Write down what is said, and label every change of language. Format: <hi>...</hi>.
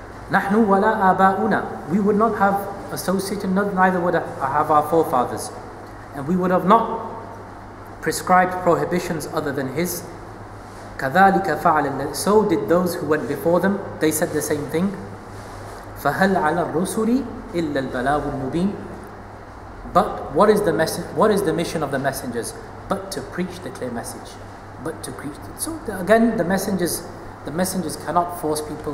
<ar>نحن ولا آباؤنا.</ar> <en>We would not have associated, neither would have our forefathers. And we would have not prescribed prohibitions other than His.</en> <ar>كذلك فعل.</ar> <en>So did those who went before them. They said the same thing.</en> <ar>فهل على الرسل إلا البلاغ المبين.</ar> <en>But what is the message? What is the mission of the messengers? But to preach the clear message. But to preach. So again, the messengers cannot force people.</en>